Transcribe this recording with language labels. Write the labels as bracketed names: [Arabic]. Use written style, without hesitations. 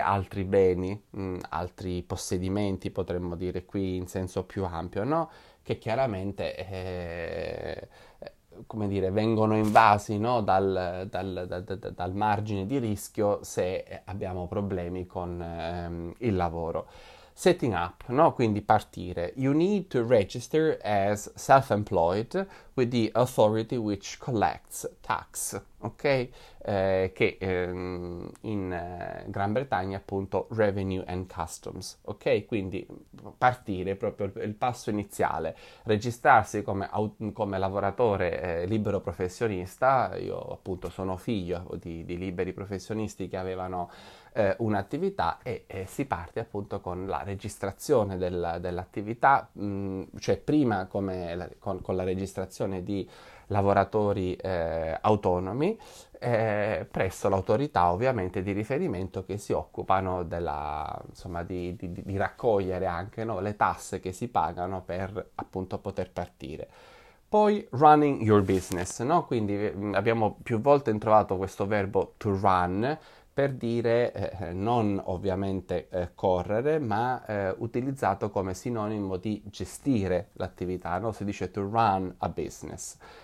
[Italian] Altri beni, altri possedimenti, potremmo dire qui in senso più ampio, no? Che chiaramente, come dire, vengono invasi, no? Dal margine di rischio se abbiamo problemi con il lavoro. [English] Setting up, [Italian] no? Quindi partire. [English] You need to register as self-employed with the authority which collects tax, ok? [Italian] Che in Gran Bretagna appunto Revenue and Customs, ok? Quindi partire proprio il passo iniziale, registrarsi come lavoratore libero professionista. Io appunto sono figlio di liberi professionisti che avevano un'attività e si parte appunto con la registrazione dell'attività, cioè prima con la registrazione di lavoratori autonomi presso l'autorità ovviamente di riferimento che si occupano insomma, di raccogliere anche, no, le tasse che si pagano per appunto poter partire. Poi [English] running your business, [Italian] no? Quindi abbiamo più volte trovato questo verbo to run. Per dire, non ovviamente correre, ma utilizzato come sinonimo di gestire l'attività, no? Si dice [English] to run a business.